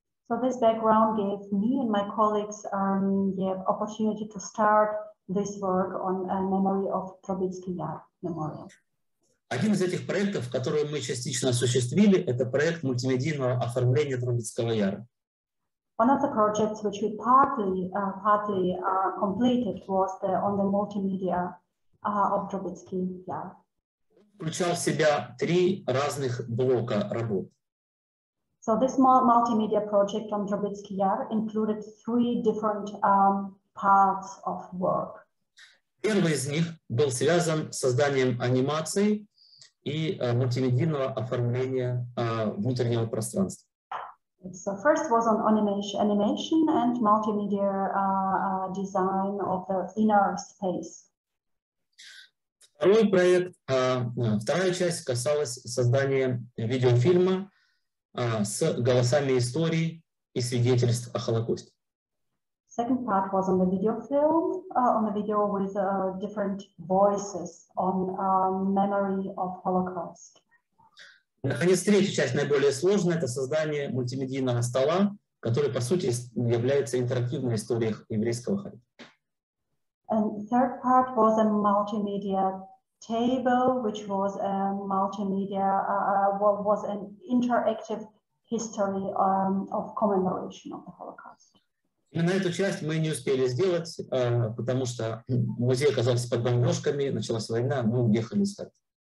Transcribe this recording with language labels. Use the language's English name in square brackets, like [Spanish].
[English] So this background gave me and my colleagues opportunity to start this work on a memory of Дробинский Яр memorial. [Russian] Один из этих проектов, который мы частично осуществили, это проект мультимедийного оформления Дробинского Яра. [English] One of the projects which we partly completed was on the multimedia of Дробинский Яр. [Russian] Включал в себя три разных блока работ. [English] So this multimedia project on Дробинский Яр included three different parts of work. [Russian] Первый из них был связан с созданием анимации и мультимедийного оформления внутреннего пространства. [English] So first was on animation and multimedia design of the inner space. [Russian] Второй проект, вторая часть касалась создания видеофильма с голосами истории и свидетельств о Холокосте. [English] Second part was on the video film, on the video with different voices on memory of Holocaust. [Russian] Наконец, третья часть, наиболее сложная, это создание мультимедийного стола, который, по сути, является интерактивной историей еврейского Харькова. [English] And third part was a multimedia table, which was a multimedia, what was an interactive history of commemoration of the Holocaust. [Russian] Именно эту часть мы не успели сделать, потому что музей оказался под бомбежками, началась война, мы уехали из Харькова.